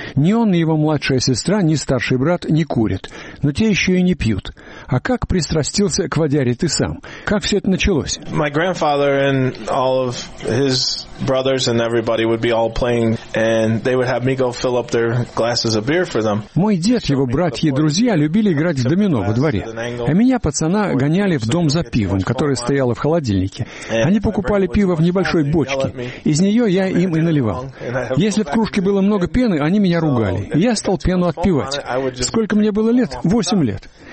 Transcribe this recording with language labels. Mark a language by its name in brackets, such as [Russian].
[Russian] Ни он, ни его младшая сестра, ни старший брат не курят. Но те еще и не пьют. А как пристрастился к водяре ты сам? Как все это началось? [English] My grandfather and all of his brothers and everybody would be all playing, and they would have me go fill up their glasses of beer for them. [Russian] Мой дед, его братья и друзья любили играть в домино во дворе. А меня, пацана, гоняли в дом за пивом, которое стояло в холодильнике. Они покупали пиво в небольшой бочке. Из нее я им и наливал. Если в кружке было много пены, они меня ругали. Я стал пену отпивать. Сколько мне было лет? 8 лет.